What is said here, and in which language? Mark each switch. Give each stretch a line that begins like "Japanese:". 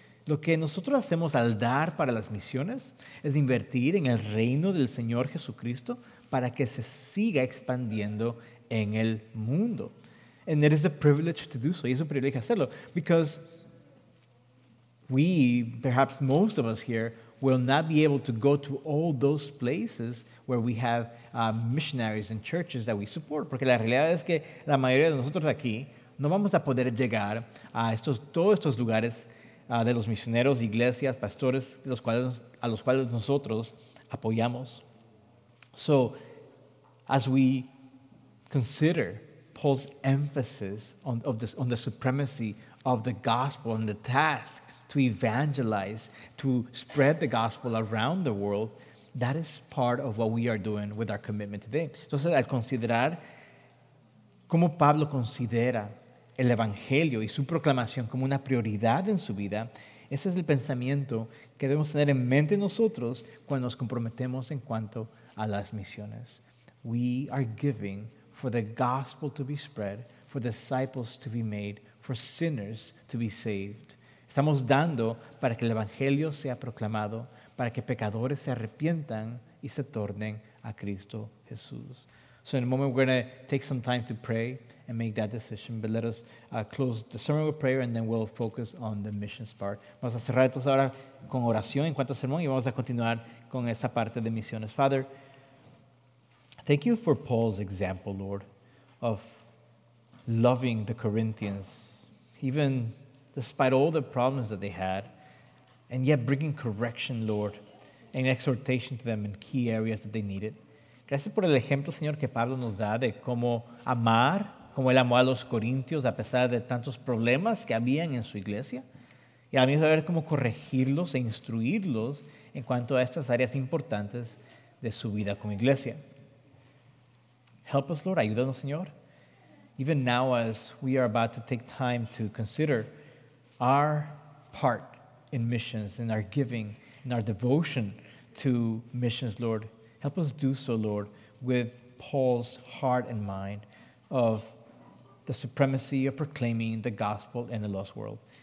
Spanish: Lo que nosotros hacemos al dar para las misiones es invertir en el reino del Señor Jesucristo para que se siga expandiendo en el mundo.
English: And it is a privilege to do so.
Spanish: Y es un privilegio hacerlo.
English: Because we, perhaps most of us here, will not be able to go to all those places where we have missionaries and churches that we support.
Spanish: Porque la realidad es que la mayoría de nosotros aquí no vamos a poder llegar a todos estos lugares de los misioneros, iglesias, pastores, a los cuales nosotros apoyamos.
English: So, as we consider Paul's emphasis on the supremacy of the gospel and the task to evangelize, to spread the gospel around the world, that is part of what we are doing with our commitment today.
Spanish: Entonces, al considerar cómo Pablo considera el evangelio y su proclamación como una prioridad en su vida, ese es el pensamiento que debemos tener en mente nosotros cuando nos comprometemos en cuanto a las misiones.
English: We are giving for the gospel to be spread, for disciples to be made, for sinners to be saved.
Spanish: Estamos dando para que el evangelio sea proclamado, para que pecadores se arrepientan y se tornen a Cristo Jesús.
English: So in a moment, we're going to take some time to pray and make that decision. But let us close the sermon with prayer, and then we'll focus on the missions part.
Spanish: Vamos a cerrar entonces ahora con oración en cuanto al sermón, y vamos a continuar con esa parte de misiones.
English: Father, thank you for Paul's example, Lord, of loving the Corinthians, even despite all the problems that they had, and yet bringing correction, Lord, and exhortation to them in key areas that they needed.
Spanish: Gracias por el ejemplo, Señor, que Pablo nos da de cómo amar, cómo él amó a los corintios a pesar de tantos problemas que habían en su iglesia. Y a mí saber cómo corregirlos e instruirlos en cuanto a estas áreas importantes de su vida como iglesia.
English: Help us, Lord.
Spanish: Ayúdanos, Señor.
English: Even now as we are about to take time to consider our part in missions, in our giving, in our devotion to missions, Lord, help us do so, Lord, with Paul's heart and mind of the supremacy of proclaiming the gospel in the lost world.